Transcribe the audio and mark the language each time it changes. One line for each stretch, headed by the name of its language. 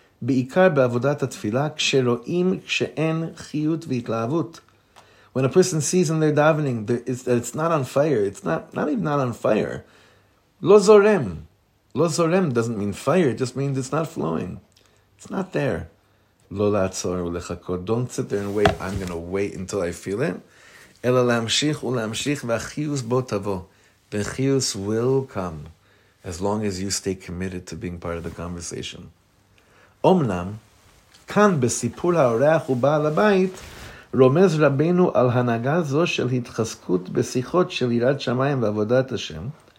Hebrew: בעיקר בעבודת התפילה, כשרואים כשאין חיות והתלהבות.
English: When a person sees in their davening, it's not on fire, it's not even not on fire.
Hebrew: לא זורם. לא זורם
English: doesn't mean fire, it just means it's not flowing. It's not there.
Hebrew: לא לעצור ולחכות.
English: Don't sit there and wait, I'm going to wait until I feel it.
Hebrew: אלא להמשיך ולהמשיך והחיוס בו תבוא.
English: The חיוס will come, as long as you stay committed to being part of the conversation.
Hebrew: אמנם, כאן בסיפור האורח ובעל הבית, רומז רבנו על הנהגה זו של התחזקות בשיחות של יראת שמיים ועבודת השם.